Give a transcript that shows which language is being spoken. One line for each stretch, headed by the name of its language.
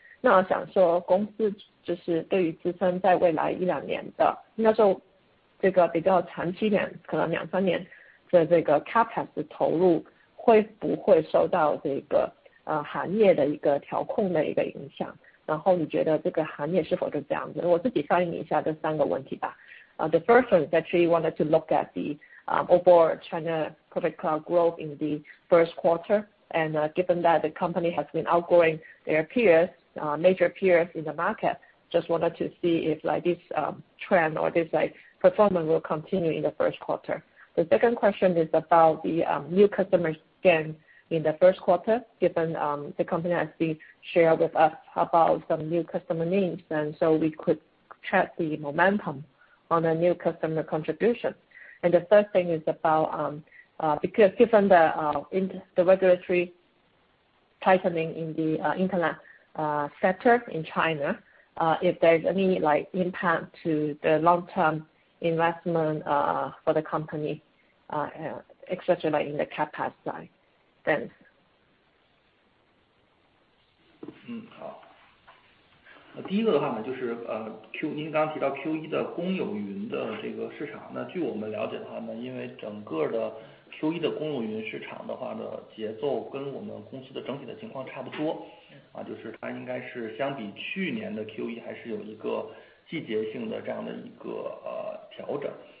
Chinese: 那想说公司就是对于自身在未来一两年的，应该说这个比较长期点，可能两三年的这个 CapEx 投入会不会受到这个行业的一个调控的一个影响？然后你觉得这个行业是否就这样子？我自己翻译一下这三个问题吧。
English: The first one is actually wanted to look at the overall China Public Cloud growth in the first quarter. And given that the company has been outgrowing their peers, major peers in the market, just wanted to see if like this trend or this like performance will continue in the first quarter. The second question is about the new customer gain in the first quarter, given the company has been shared with us about some new customer names, and so we could track the momentum on a new customer contribution. And the third thing is about, because given the regulatory tightening in the internet sector in China, if there's any like impact to the long-term investment for the company, especially like in the CapEx side. Thanks.
Chinese: 好，第一个的话呢，就是Q， 您刚刚提到 Q1 的公有云的这个市场，那据我们了解的话呢，因为整个的 Q1 的公有云市场的话呢，节奏跟我们公司的整体的情况差不多，啊，就是它应该是相比去年的 Q1 还是有一个季节性的这样的一个调整。